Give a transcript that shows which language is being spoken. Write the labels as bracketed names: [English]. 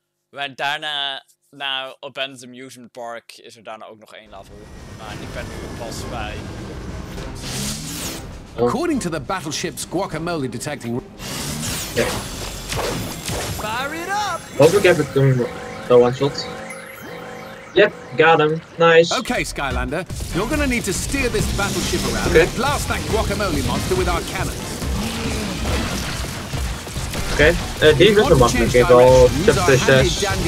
[Dutch] En daarna, naar Abandoned Amusement Park, is er daarna ook nog één level. Maar ik ben nu pas bij. [English] According to the battleship's guacamole detecting. Fire it up! [Dutch] Hopelijk heb ik hem zo one shot. [English] Yep, got him. Nice. Okay, Skylander, you're gonna need to steer this battleship around and blast that guacamole monster with our cannons. [Dutch] Okay, die is een makkelijk, ik heb al chapter 6.